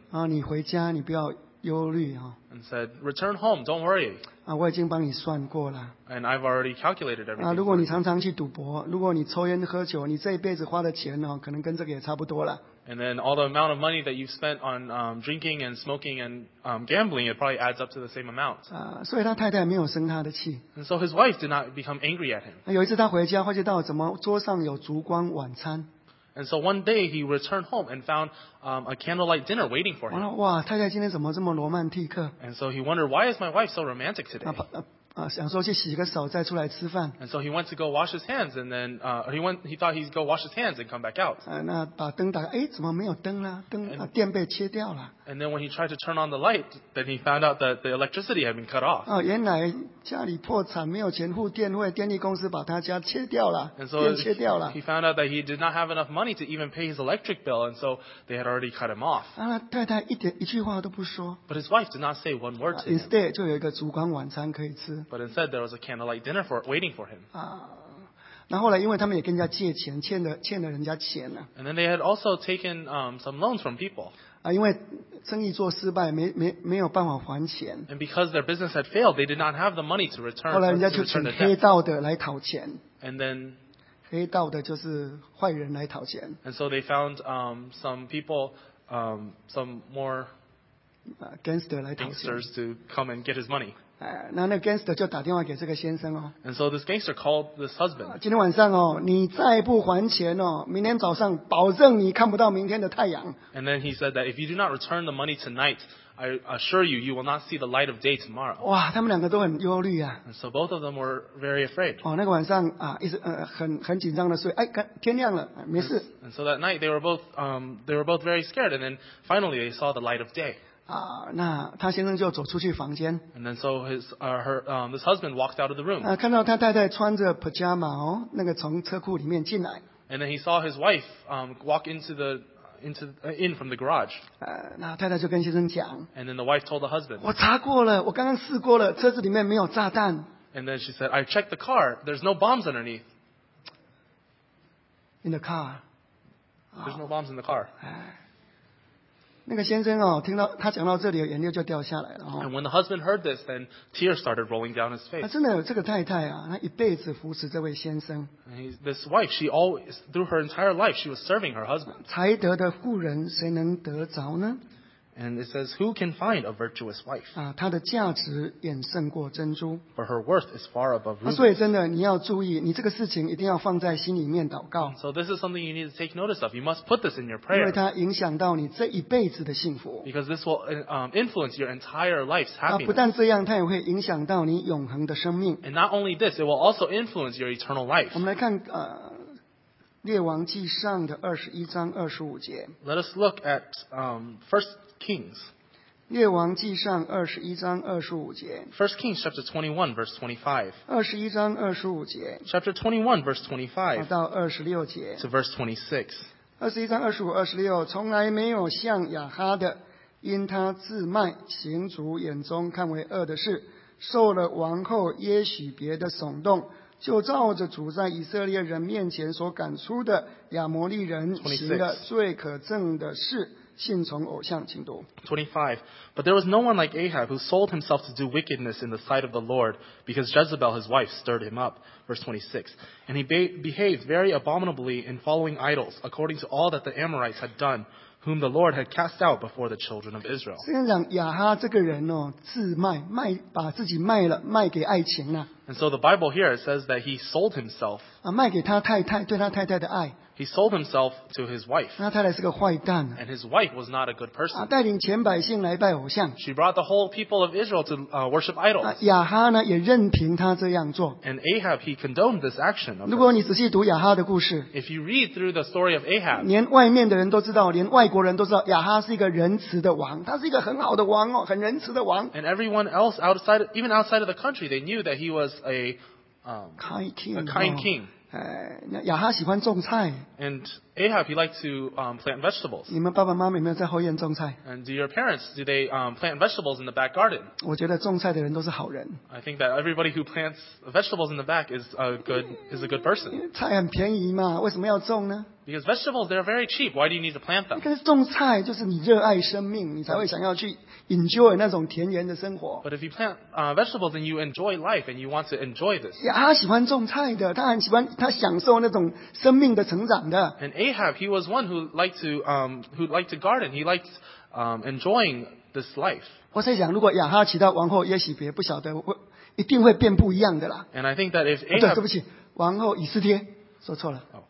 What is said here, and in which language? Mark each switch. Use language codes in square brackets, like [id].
[zh] 啊，你回家，你不要忧虑啊。 [en] And said, "Return home, don't worry." [zh] 啊，我已经帮你算过了。 [en] And I've already calculated everything. [zh] 啊，如果你常常去赌博，如果你抽烟喝酒，你这一辈子花的钱呢，可能跟这个也差不多了。 [en] And then all the amount of money that you've spent on drinking and smoking and gambling, it probably adds up to the same amount. [zh] 所以他太太没有生他的气。 [en] And so his wife did not become angry at him. [zh] 有一次他回家，发现到怎么桌上有烛光晚餐。 [en] And so one day he returned home and found a candlelight dinner waiting for him. [zh] 哇，太太今天怎么这么罗曼蒂克？ [en] And so he wondered, why is my wife so romantic today? [zh] 想说去洗个手再出来吃饭。 [en] And so he went to go wash his hands and then he thought he'd go wash his hands and come back out. [zh] 那把灯打开，哎，怎么没有灯了？灯啊，电被切掉了。 [en] And then when he tried to turn on the light, then he found out that the electricity had been cut off. [zh] 原来家里破产，没有钱付电费，电力公司把他家切掉了。 [en] And so he found out that he did not have enough money to even pay his electric bill, and so they had already cut him off. [zh] 太太一句话都不说。 [en] But his wife did not say one word to him. Instead, [zh] 就有一个烛光晚餐可以吃。 [en] But instead, there was a candlelight dinner waiting for him. [zh] 然后呢，因为他们也跟人家借钱，欠了人家钱呢。 [en] And then they had also taken some loans from people. [zh] 因为生意做失败，没有办法还钱。 [en] And because their business had failed, they did not have the money to return. [zh] 后来人家就请黑道的来讨钱。 [en] And then [zh] 黑道的就是坏人来讨钱。 [en] And so they found some people, some more [zh] gangster 来讨钱。 [en] Gangsters to come and get his money. [zh] 那 gangster 就打电话给这个先生哦。 [en] And so this gangster called this husband. [zh] 今天晚上哦，你再不还钱哦，明天早上保证你看不到明天的太阳。 [en] And then he said that if you do not return the money tonight, I assure you, you will not see the light of day tomorrow. [zh] 哇，他们两个都很忧虑啊。 [en] And so both of them were very afraid. [zh] 那个晚上啊，一直很紧张的睡，哎，天亮了，没事。 [en] And so that night they were both very scared, and then finally they saw the light of day. [zh] 那他先生就走出去房间。 [en] And then so this husband walked out of the room. [zh] 看到他太太穿着 pajama 哦，那个从车库里面进来。 [en] And then he saw his wife walk in from the garage. [zh] 那太太就跟先生讲。 [en] And then the wife told the husband. [zh] 我查过了，我刚刚试过了，车子里面没有炸弹。 [en] And then she said, I checked the car. There's no bombs underneath. In the car. There's no bombs in the car. [zh] 那个先生哦，听到他讲到这里，眼泪就掉下来了。 [en] And when the husband heard this, then tears started rolling down his face. [zh] 真的，这个太太啊，她一辈子扶持这位先生。 [en] This wife, she always through her entire life, she was serving her husband. [zh] 才德的妇人谁能得着呢 [en] ？And it says, who can find a virtuous wife? [zh] 她的价值远胜过珍珠。 [en] For her worth is far above rubies. [zh] 所以真的，你要注意，你这个事情一定要放在心里面祷告。 [en] So this is something you need to take notice of. You must put this in your prayer. [zh] 因为它影响到你这一辈子的幸福。 [en] Because this will influence your entire life's happiness. [zh] 不但这样，它也会影响到你永恒的生命。 [en] And not only this, it will also influence your eternal life. [zh] 我们来看列王记上的21:25. [en] Let us look at First Kings. [zh] 列王记上21:25。 [en] First Kings chapter 21:25。 21:25。 Chapter 21:25。 [zh] 到26。 [en] To verse 26。 [zh] 21:25-26，从来没有像亚哈的，因他自卖，行主眼中看为恶的事，受了王后耶许别的耸动，就照着主在以色列人面前所赶出的亚摩利人行的最可憎的事，信从偶像。请读。 25. [en] But there was no one like Ahab who sold himself to do wickedness in the sight of the Lord, because Jezebel his wife stirred him up. Verse 26. And he behaved very abominably in following idols, according to all that the Amorites had done, whom the Lord had cast out before the children of Israel. [zh] 圣经讲亚哈这个人哦，自卖卖把自己卖了，卖给爱情了。 [en] And so the Bible here says that he sold himself. [zh] 啊，卖给他太太对他太太的爱。 [en] He sold himself to his wife. [zh] 那太太是个坏蛋。 [en] And his wife was not a good person. [zh] 啊，带领全百姓来拜偶像。 [en] She brought the whole people of Israel to worship idols. [zh] 啊，亚哈呢也任凭他这样做。 [en] And Ahab he condoned this action. [zh] 如果你仔细读亚哈的故事 [en] ，If you read through the story of Ahab, [zh] 连外面的人都知道，连外国人都知道，亚哈是一个仁慈的王，他是一个很好的王哦，很仁慈的王。 [en] And everyone else outside, even outside of the country, they knew that he was a kind king. A kind king. [zh] 亚哈喜欢种菜。 [en] And Ahab, he liked to plant vegetables. [zh] 你们爸爸妈妈有没有在后院种菜 [en] ？And do your parents do they plant vegetables in the back garden? [zh] 我觉得种菜的人都是好人。 [en] I think that everybody who plants vegetables in the back is a good person. [zh] 菜很便宜嘛，为什么要种呢 [en] ？Because vegetables they're very cheap. Why do you need to plant them? [zh] 可是种菜就是你热爱生命，你才会想要去 enjoy 那种田园的生活。 [en] But if you plant vegetables, then you enjoy life and you want to enjoy this. [zh] 亚哈喜欢种菜的，他很喜欢他享受那种生命的成长的。 [en] And Ahab, he was one who liked to garden. He liked enjoying this life. [zh] 我在想，如果亚哈娶到王后耶洗别，不晓得一定会变不一样的啦。 [en] And I think that if Ahab, [zh] 对不起，王后以斯帖，说错了。